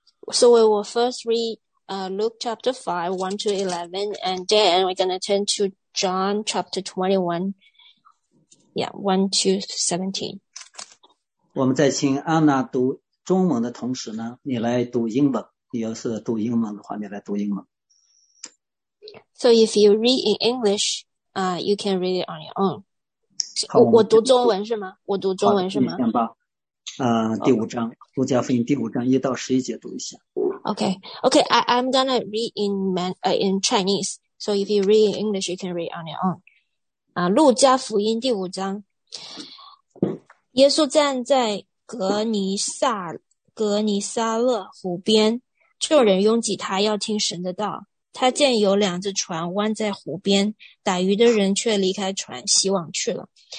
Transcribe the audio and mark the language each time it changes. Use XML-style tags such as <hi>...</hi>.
<en>So we will first read Luke chapter 5, 1 to 11, and then we're going to turn to John chapter 21, 1 to 17.</en> <zh>我们在请安娜读中文的同时呢，你来读英文，你要是读英文的话，你来读英文。</zh> <en>So if you read in English, you can read it on your own.</en> <zh>我读中文是吗？我读中文是吗？好，你先吧。第五章，路加福音第五章一到十一节读一下。</zh> <en>Okay, I'm gonna read in Chinese. So if you read in English, you can read on your own.</en> <zh>路加福音第五章，耶稣站在格尼撒勒湖边，众人拥挤他要听神的道。他见有两只船弯在湖边，打鱼的人却离开船西往去了。</zh>